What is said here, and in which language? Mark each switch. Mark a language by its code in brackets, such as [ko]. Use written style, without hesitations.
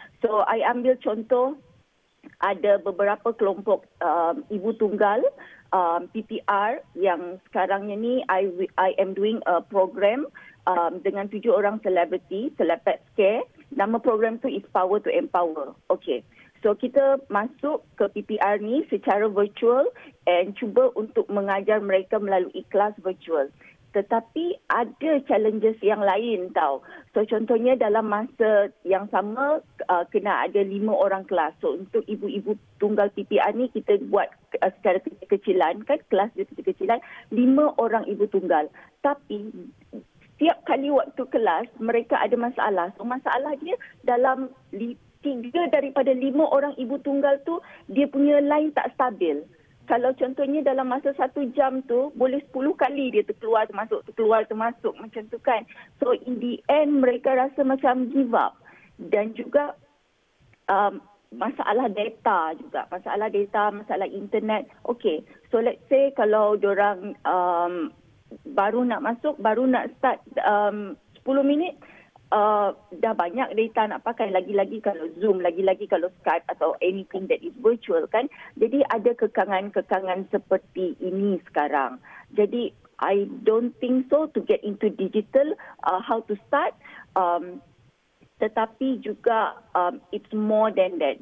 [ms] So I ambil contoh, ada beberapa kelompok ibu tunggal PPR yang sekarang ni [en] I am doing a program [ms] dengan 7 orang selebriti, Celebpets Care. Nama program tu is Power to Empower. Okay, so kita masuk ke PPR ni secara virtual and cuba untuk mengajar mereka melalui kelas virtual. Tetapi ada challenges yang lain tau. So contohnya dalam masa yang sama kena ada 5 orang kelas. So untuk ibu-ibu tunggal PPR ni kita buat secara kecil-kecilan kan, kelas dia kecil-kecilan, 5 orang ibu tunggal. Tapi setiap kali waktu kelas, mereka ada masalah. So, masalah dia dalam 3 daripada 5 orang ibu tunggal tu, dia punya line tak stabil. Kalau contohnya dalam masa 1 jam tu, boleh 10 kali dia terkeluar, termasuk, terkeluar, termasuk macam tu kan. [en] So, in the end, [ms] mereka rasa macam [en] give up. [ms] Dan juga masalah data juga. Masalah data, masalah internet. [en] Okay, so let's say [ms] kalau diorang baru nak masuk, baru nak start 10 minit, Dah banyak data nak pakai, lagi-lagi kalau Zoom, lagi-lagi kalau Skype atau [en] anything that is virtual [ms] kan. Jadi ada kekangan-kekangan seperti ini sekarang. Jadi [en] I don't think so to get into digital, how to start. [ms] Tetapi juga [en] it's more than that.